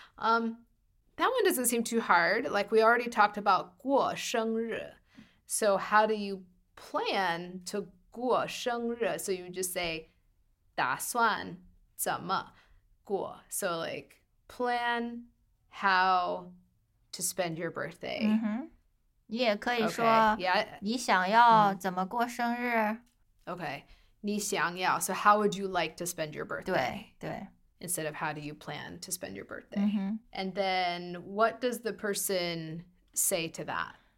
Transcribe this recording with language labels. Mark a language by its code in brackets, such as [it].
[en] That one doesn't seem too hard. Like we already talked about 过生日. So how do you plan to 过生日? So you just say [zh] 打算怎么过. [en] So like plan how to spend your birthday. Mm-hmm. [zh] 你也可以说你想要怎么过生日。 [en] Okay, [zh] 你想要, [en] so how would you like to spend your birthday? [zh] 对, [en] instead of how do you plan to spend your birthday? Mm-hmm. And then what does the person say to that?